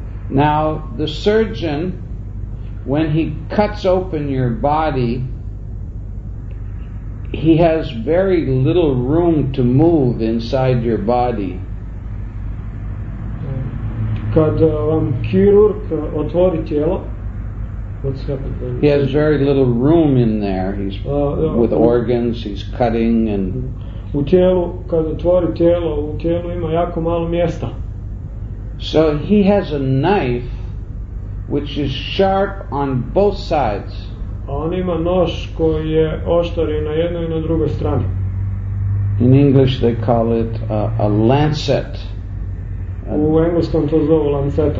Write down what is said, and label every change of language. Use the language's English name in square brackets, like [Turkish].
[English] Now the surgeon, when he cuts open your body, he has very little room to move inside your body. [Croatian] Kad vam kirurg otvori tijelo, [English] what's happening? He has very little room in there. He's with organs, he's cutting and [Croatian] u tijelu, kad otvori tijelo, u tijelu ima jako malo mjesta. [English] So he has a knife which is sharp on both sides. [Croatian] On ima nož koji je oštar na jednoj i na drugoj strani. [English] In English they call it a lancet. [Croatian] U engleskom to zovu lanceta.